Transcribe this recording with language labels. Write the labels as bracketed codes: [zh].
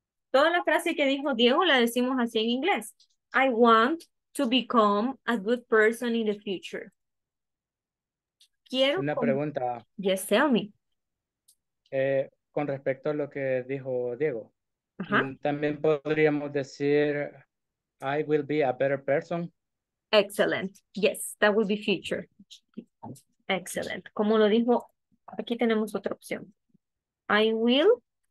[es] Toda la frase que dijo Diego la decimos así en inglés. [en] I want to become a good person in the future. [es] Quiero. Una pregunta. [en] Yes, tell me. [es] Con respecto a lo que dijo Diego, también podríamos decir, [en] I will be a better person. Excellent. Yes, that will be future. Excellent. [es] Como lo dijo, aquí tenemos otra opción. [en] I will.